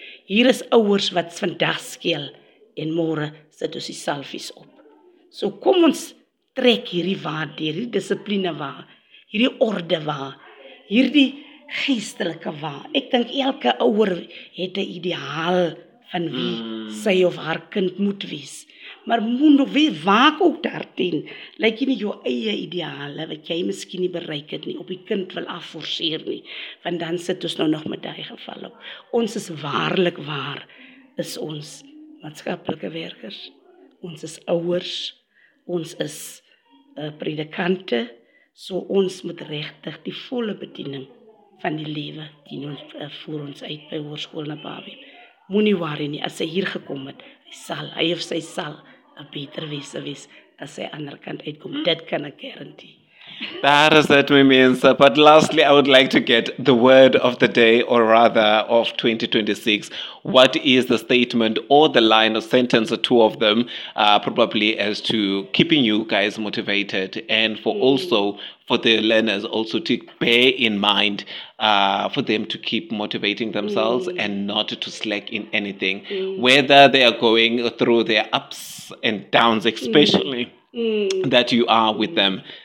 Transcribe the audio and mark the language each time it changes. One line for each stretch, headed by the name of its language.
Afrikaans: Hier is ouers wat vandag skeel en môre sit ons die selfies op. So kom ons trek hierdie wa, hierdie dissipline wa, hierdie orde wa, hierdie geestelike wa. Ek dink elke ouer het 'n ideaal van wie sy of haar kind moet wees. Maar moet nog weer waak ook daarteen. Lyk jy nie jou eie ideale wat jy miskien nie bereik het nie, op die kind wil afforceer nie. Want dan sit ons nou nog met die geval op. Ons is waarlik waar, is ons maatskaplike werkers. Ons is ouers. Ons is predikante. So ons moet regtig die volle bediening van die lewe dien ons voor ons uit by hoërskool Nababib. Moenie worry nie, as hy hier gekom het, hy of sy sal 'n beter wese wees as hy ander kant uitkom. Dit kan ek garandeer.
English: That is it, my mensa. But lastly, I would like to get the word of the day, or rather of 2026. What is the statement or the line or sentence or two of them, probably as to keeping you guys motivated and for also for the learners also to bear in mind for them to keep motivating themselves and not to slack in anything, whether they are going through their ups and downs, especially that you are with them.